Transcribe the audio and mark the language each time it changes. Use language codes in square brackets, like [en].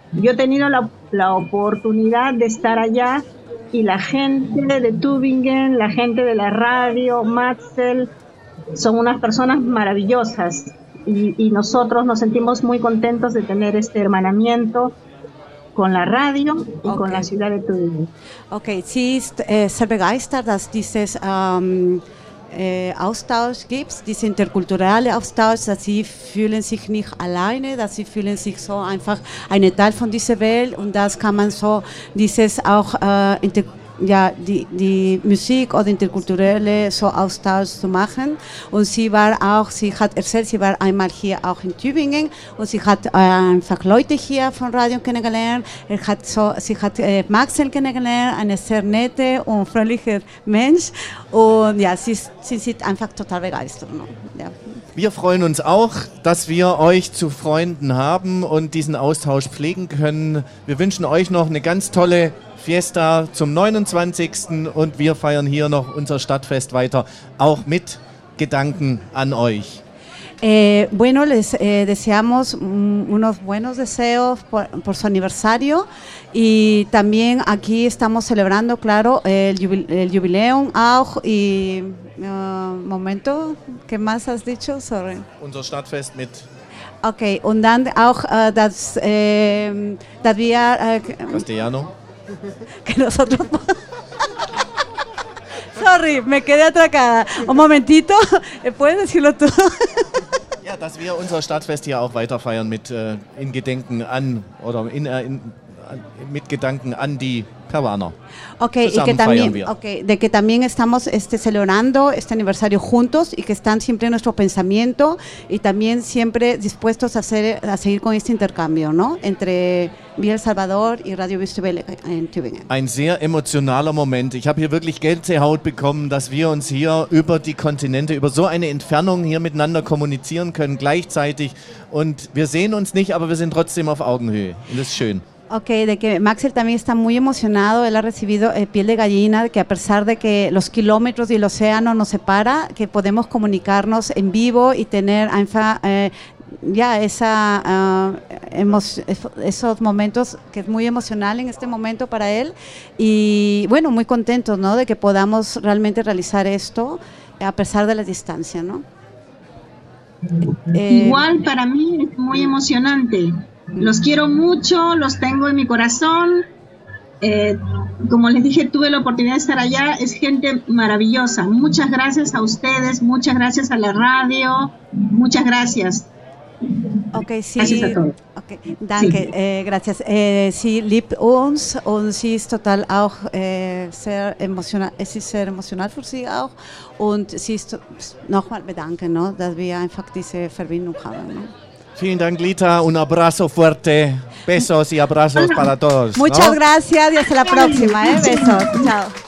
[es] Yo he tenido la, la oportunidad de estar allá y la gente de Tübingen, la gente de la radio, Matzel, son unas personas maravillosas y nosotros nos sentimos muy contentos de tener este hermanamiento con la radio y okay. Con la ciudad de Tübingen. [de] Okay, sí, sehr begeistert, dass dieses Austausch gibt, diese interkulturelle Austausch, dass sie fühlen sich nicht alleine, dass sie fühlen sich so einfach eine Teil von dieser Welt und das kann man so dieses auch die Musik oder interkulturelle so Austausch zu machen und sie war auch, sie hat erzählt, sie war einmal hier auch in Tübingen und sie hat einfach Leute hier von Radio kennengelernt, er hat so, sie hat Maxel kennengelernt, eine sehr nette und fröhlicher Mensch und ja, sie sind einfach total begeistert. No? Ja. Wir freuen uns auch, dass wir euch zu Freunden haben und diesen Austausch pflegen können. Wir wünschen euch noch eine ganz tolle Fiesta zum 29. und wir feiern hier noch unser Stadtfest weiter, auch mit Gedanken an euch. [es] Bueno, les deseamos unos buenos deseos por su aniversario y también aquí estamos celebrando, claro, el jubileum auch y momento, ¿qué más has dicho? [en] Sorry. [de] Unser Stadtfest mit. Okay, und dann auch das dass wir [es] Castellano. Que nosotros Sorry, me quedé atracada. Un momentito, ¿puedes decirlo tú? [de] Ja, dass wir unser Stadtfest hier auch weiter feiern mit in Gedenken an oder in mit Gedanken an die Peruaner. [es] Okay, zusammen y que también okay, de que también estamos celebrando este aniversario juntos y que están siempre en nuestro pensamiento y también siempre dispuestos a hacer a seguir con este intercambio, ¿no? Entre Villa El Salvador y Radio Wüstewelle in Tübingen. [de] Ein sehr emotionaler Moment. Ich habe hier wirklich Gänsehaut bekommen, dass wir uns hier über die Kontinente, über so eine Entfernung hier miteinander kommunizieren können gleichzeitig und wir sehen uns nicht, aber wir sind trotzdem auf Augenhöhe. Und das ist schön. [es] Okay, de que Maxel también está muy emocionado, él ha recibido piel de gallina, que a pesar de que los kilómetros y el océano nos separa, que podemos comunicarnos en vivo y tener einfach, esos momentos que es muy emocional en este momento para él y bueno, muy contentos, ¿no? De que podamos realmente realizar esto a pesar de la distancia, ¿no? Igual para mí es muy emocionante. Los quiero mucho, los tengo en mi corazón. Como les dije, tuve la oportunidad de estar allá. Es gente maravillosa. Muchas gracias a ustedes, muchas gracias a la radio. Muchas gracias. Okay, sí. Gracias a todos. Okay, danke, sí. Gracias. [de] Sí, liebt uns und sí es total auch sehr emocional. Es ist sehr emotional für sie auch und sí es nochmal bedanken, ¿no? Dass wir einfach diese Verbindung haben, ¿no? Vielen Dank, Lita. [es] Un abrazo fuerte. Besos y abrazos para todos. ¿No? Muchas gracias y hasta la próxima. Besos. Chao.